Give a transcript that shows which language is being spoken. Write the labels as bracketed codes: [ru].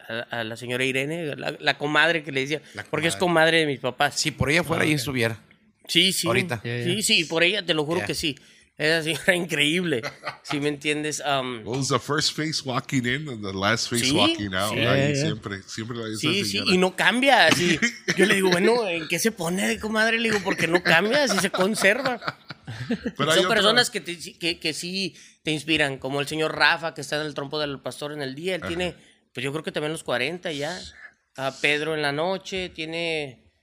[es] A la señora Irene, la comadre que le decía, porque es comadre de mis papás. Si por ella fuera, ahí estuviera. Sí, sí. Ahorita. Sí, por ella, te lo juro que sí. Esa señora increíble, si me entiendes. [en] What was the first face walking in and the last face walking out? [es] Sí, right? Siempre la dice. Sí, y no cambia. Así. Yo le digo, bueno, ¿en qué se pone, comadre? Le digo, porque no cambia, así se conserva. Pero son personas que sí te inspiran, como el señor Rafa, que está en el trompo del pastor en el día. Él tiene, pues yo creo que también los 40 ya. A Pedro en la noche, tiene.